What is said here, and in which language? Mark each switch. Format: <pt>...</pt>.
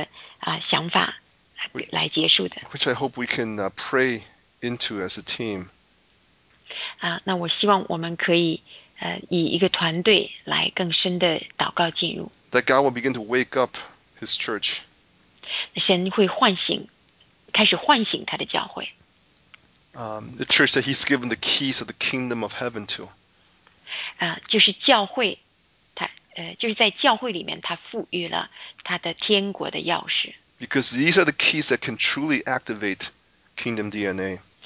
<zh>那我今天给大家发出来的这信息，最后就是以这样的一个想法来结束的。</zh> <en>Which I hope we can pray into as a team.</en> <zh>那我希望我们可以以一个团队来更深的祷告进入。</zh> <en>That God will begin to wake up His church.</en> <zh>神会唤醒，开始唤醒他的教会。</zh> <en>The church that He's given the keys of the kingdom of heaven to.</en> <zh>就是教会。就是在教会里面他赋予了他的天国的钥匙。</zh> <en>Because these are the keys that can truly activate kingdom DNA.</en>